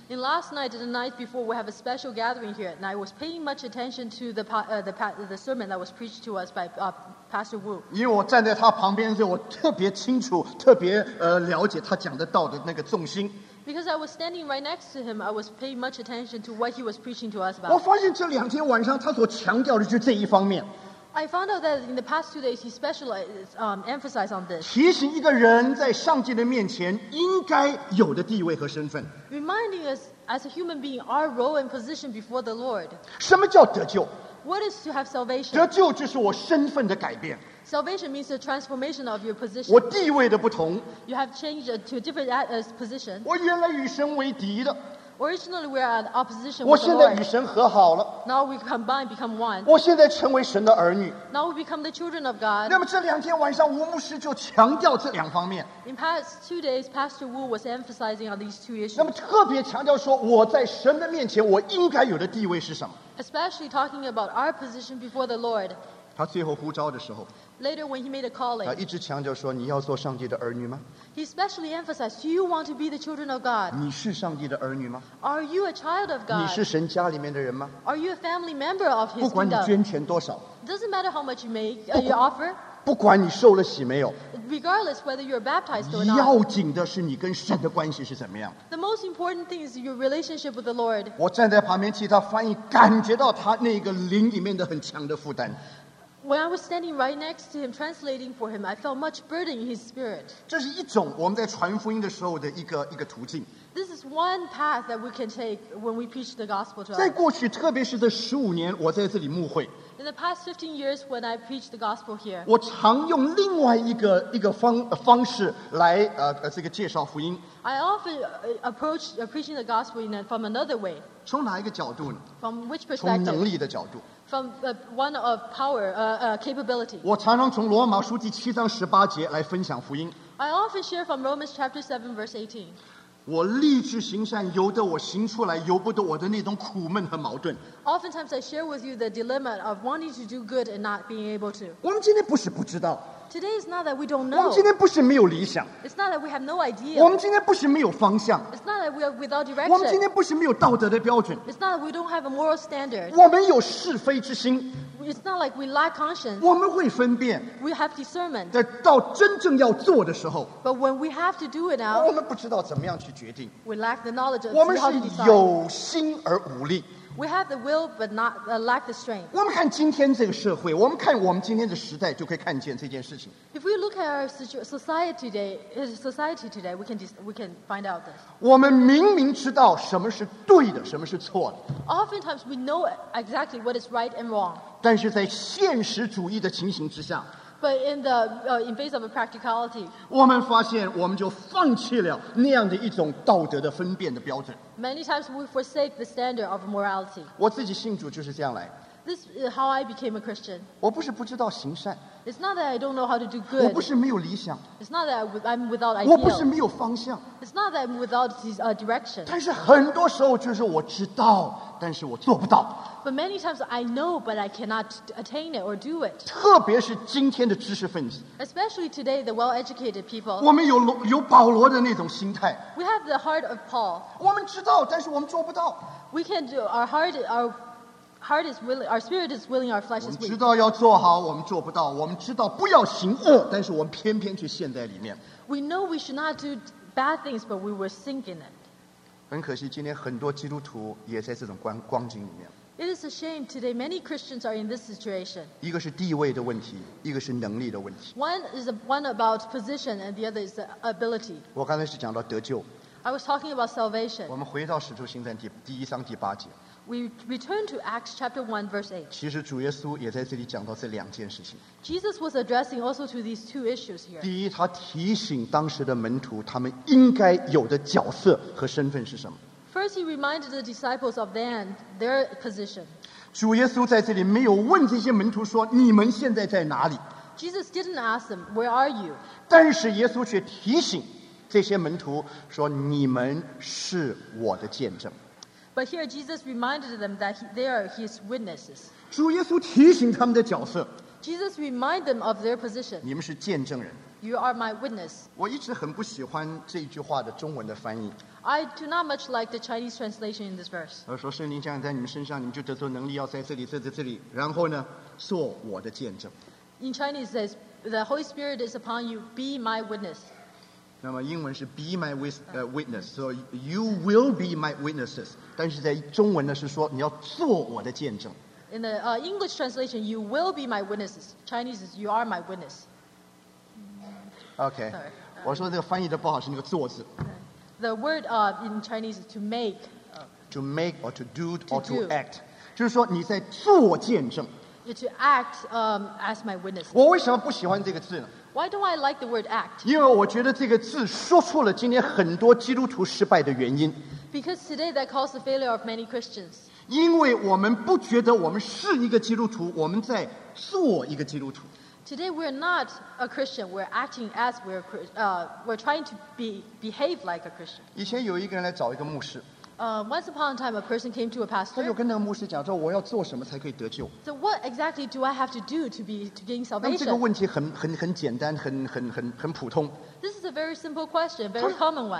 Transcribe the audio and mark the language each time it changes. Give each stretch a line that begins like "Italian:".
English: In last night, the night before, we have a special gathering here, and I was paying much attention to the sermon that was preached to us by Pastor Wu.
Chinese: 因为我站在他旁边，所以我特别清楚，特别了解他讲的道的那个重心。
English: Because I was standing right next to him, I was paying much attention to what he was preaching to us about.
Chinese: 我发现这两天晚上他所强调的就是这一方面。
English: I found out that in the past 2 days, he specialized, emphasized on this.
Chinese: 提醒一个人在上帝的面前应该有的地位和身份。
English: Reminding us as a human being our role and position before the Lord.
Chinese: 什么叫得救?
English: What is to have salvation?
Chinese: 得救就是我身份的改变。
English: Salvation means the transformation of your position.
Chinese: 我地位的不同,
English: you have changed to a different position.
Chinese: 我原来与神为敌的,
English: Originally, we are at opposition with the Lord. Now we combine, become one.
Chinese: 我现在成为神的儿女。
English: Now we become the children of God.
Chinese: 那么这两天晚上，吴牧师就强调这两方面。
English: In past 2 days, Pastor Wu was emphasizing on these 2 issues.
Chinese: 那么特别强调说，我在神的面前，我应该有的地位是什么
English: ？Especially talking about our position before the Lord.
Chinese: 他最后呼召的时候。
English: Later, when he made a calling,
Chinese: 他一直强调说，你要做上帝的儿女吗？
English: He especially emphasized, do you want to be the children of God?
Chinese: 你是上帝的儿女吗?
English: Are you a child of God?
Chinese: 你是神家里面的人吗?
English: Are you a family member of his kingdom?
Chinese: 不管你捐钱多少。
English: Doesn't matter how much you make, you offer.
Chinese: 不管你受了洗没有。
English: Regardless whether you're baptized or not.
Chinese: 要紧的是你跟神的关系是怎么样。
English: The most important thing is your relationship with the Lord.
Chinese: 我站在旁边替他翻译，感觉到他那个灵里面的很强的负担。
English: When I was standing right next to him, translating for him, I felt much burden in his spirit.
Chinese: 这是一种我们在传福音的时候的一个途径。
English: This is one path that we can take when we preach the gospel to others.
Chinese: 在过去，特别是这15年，我在这里牧会。
English: In the past 15 years, when I preached the gospel here,
Chinese: 我常用另外一个方式来这个介绍福音。
English: I often approach preaching the gospel in from another way.
Chinese: 从哪一个角度呢
English: ？From which perspective?
Chinese: 从能力的角度。
English: From one of power, capability.
Chinese: 我常常从罗马书第7章18节来分享福音。
English: I often share from Romans chapter 7 verse 18.
Chinese: 我立志行善，由得我行出来，由不得我的那种苦闷和矛盾。
English: Oftentimes I share with you the dilemma of wanting to do good and not being able to.
Chinese: 我们今天不是不知道。
English: Today is not that we don't know.
Chinese: 我们今天不是没有理想。
English: It's not that we have no idea.
Chinese: 我们今天不是没有方向。
English: It's not that we are without direction.
Chinese: 我们今天不是没有道德的标准。
English: It's not that we don't have a moral standard.
Chinese: 我们有是非之心。
English: It's not like we lack conscience.
Chinese: 我们会分辨。
English: We have discernment.
Chinese: 但到真正要做的时候。
English: But when we have to do it now.
Chinese: 我们不知道怎么样去决定。
English: We lack the knowledge of how to decide.
Chinese: 我们是有心而无力。
English: We have the will, but not lack the strength.
Chinese: 我们看今天这个社会，我们看我们今天的时代，就可以看见这件事情。
English: If we look at our society today, we can find out this.
Chinese: 我们明明知道什么是对的，什么是错的。
English: Oftentimes we know exactly what is right and wrong.
Chinese: 但是在现实主义的情形之下。
English: But in face of a practicality,
Chinese: 我们发现我们就放弃了那样的一种道德的分辨的标准。
English: Many times we forsake the standard of morality.
Chinese: 我自己信主就是这样来。
English: This is how I became a Christian.
Chinese: 我不是不知道行善。
English: It's not that I don't know how to do good.
Chinese: 我不是没有理想。
English: It's not that I'm without ideal.
Chinese: 我不是没有方向。
English: It's not that I'm without direction.
Chinese: 但是很多时候就是我知道，但是我做不到。
English: But many times I know, but I cannot attain it or do it.
Chinese: 特别是今天的知识分子。
English: Especially today, the well-educated people.
Chinese: 我们有保罗的那种心态。
English: We have the heart of Paul.
Chinese: 我们知道，但是我们做不到。
English: We can do our heart is willing, our spirit is willing, our flesh is weak.
Chinese: 我们知道要做好，我们做不到。我们知道不要行恶，但是我们偏偏去陷在里面。
English: We know we should not do bad things, but we will sink in it.
Chinese: 很可惜，今天很多基督徒也在这种光景里面。
English: It is a shame today many Christians are in this situation.
Chinese: 一个是地位的问题，一个是能力的问题。
English: One is one about position, and the other is ability.
Chinese: 我刚才是讲到得救。
English: I was talking about salvation.
Chinese: 我们回到使徒行传第一章第八节。
English: We return to Acts chapter 1 verse 8.
Chinese: 其实主耶稣也在这里讲到这两件事情。
English: Jesus was addressing also to these 2 issues here.
Chinese: 第一，他提醒当时的门徒他们应该有的角色和身份是什么。
English: First, he reminded the disciples of then their position.
Chinese: 主耶稣在这里没有问这些门徒说你们现在在哪里。
English: Jesus didn't ask them, where are you?
Chinese: 但是耶稣却提醒这些门徒说你们是我的见证。
English: But here Jesus reminded them that they are his witnesses.
Chinese: 主耶稣提醒他们的角色。
English: Jesus reminded them of their position.
Chinese: 你们是见证人。
English: You are my witness.
Chinese: 我一直很不喜欢这句话的中文的翻译。
English: I do not much like the Chinese translation in this verse.
Chinese: 而说圣灵降在你们身上，你们就得着能力，要在这里，这里，然后呢，做我的见证。
English: In Chinese, it says the Holy Spirit is upon you. Be my witness.
Chinese: 那么英文是
English: be my witness, so you will be my witnesses.
Chinese: 但是在中文呢，是说你要做我的见证。
English: In the English translation, you will be my witnesses. Chinese is you are my witness. Okay. Sorry.
Chinese: 我说这个翻译的不好是那个做字。
English: The word in Chinese is to make or to do or to do. Act.
Chinese: 就是说你在做见证。
English: You're to act as my witness.
Chinese: 我为什么不喜欢这个字呢？
English: Why don't I like the word act?
Chinese: 因为我觉得这个字说出了今天很多基督徒失败的原因。
English: Because today that caused the failure of many Christians.
Chinese: 因为我们不觉得我们是一个基督徒，我们在做一个基督徒。
English: Today we're not a Christian. We're acting as we're trying to behave like a Christian.
Chinese: 以前有一个人来找一个牧师。
English: Once upon a time, a person came to a pastor.
Chinese: 他就跟那个牧师讲说，我要做什么才可以得救。
English: So what exactly do I have to do to gain salvation?
Chinese: 那这个问题很简单，很普通。
English: This is a very simple question, very common one.